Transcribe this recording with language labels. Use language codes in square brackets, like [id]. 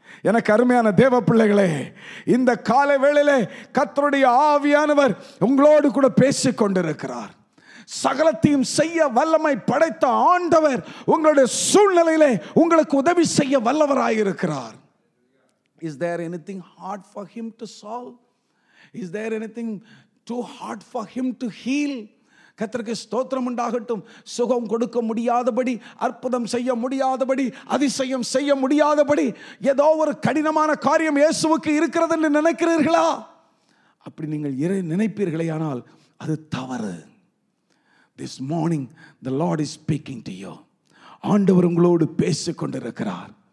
[ta] எனக்கு அருமையான தேவ பிள்ளைகளே, இந்த காலை வேளையில கர்த்தருடைய ஆவியானவர் உங்களோடு கூட பேசிக் கொண்டிருக்கிறார். சகலத்தையும் செய்ய வல்லமை படைத்த ஆண்டவர் உங்களுடைய சூழ்நிலையிலே உங்களுக்கு உதவி செய்ய வல்லவராயிருக்கிறார். [en] Is there anything hard for him to solve? Is there anything too hard for him to heal? [ta] கர்த்தருக்கு ஸ்தோத்திரம் உண்டாகட்டும். சுகம் கொடுக்க முடியாதபடி, அற்புதம் செய்ய முடியாதபடி, அதிசயம் செய்ய முடியாதபடி, ஏதோ ஒரு கடினமான காரியம் இயேசுவுக்கு இருக்கிறது என்று நினைக்கிறீர்களா? அப்படி நீங்கள் இறை நினைப்பீர்களே ஆனால் அது தவறு. [en] This morning the Lord is speaking to you. [ta] ஆண்டவர் உங்களோடு பேசிக் கொண்டிருக்கிறார்.